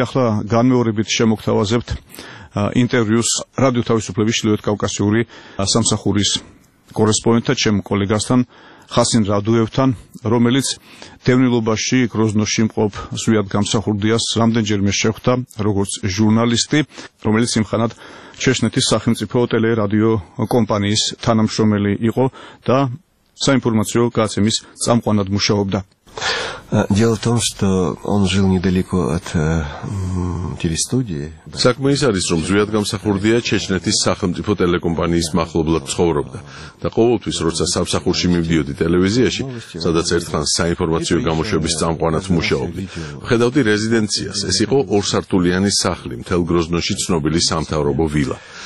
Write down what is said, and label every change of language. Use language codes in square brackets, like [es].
[ka] ახლა განმეორებით შემოგთავაზებთ ინტერვიუს რადიო თავისუფლების ჩრდილოეთ კავკასიური სამსახურის კორესპონდენტთან, ჩემ კოლეგასთან ხასინ რადუევთან, რომელიც დევნილობაში გროზნოში მყოფ ზვიად გამსახურდიას რამდენჯერმე შეხვდა როგორც ჟურნალისტი, რომელიც იმხანად ჩეშნეთის სახელმწიფო ტელერადიო კომპანიის თანამშრომელი იყო და საინფორმაციო გაცემის წამყვანად მუშაობდა. [ru] Дело в том, что он жил недалеко от телестудии. [ka] Сакма ის არის, რომ ზვიად გამსახურდია ჩეჩნეთის სახელმწიფო ტელეკომპანიის მახლობლად ცხოვრობდა და ყოველთვის როცა სამსახურში მივდიოდი ტელევიზიაში, სადაც ერთხანს საინფორმაციო გამოშვების წამყვანად მუშაობდი. ხედავდი რეზიდენციას, ეს იყო ორსართულიანი სახლი, მთელ გროზნოში ცნობილი სამთავრობო ვილა.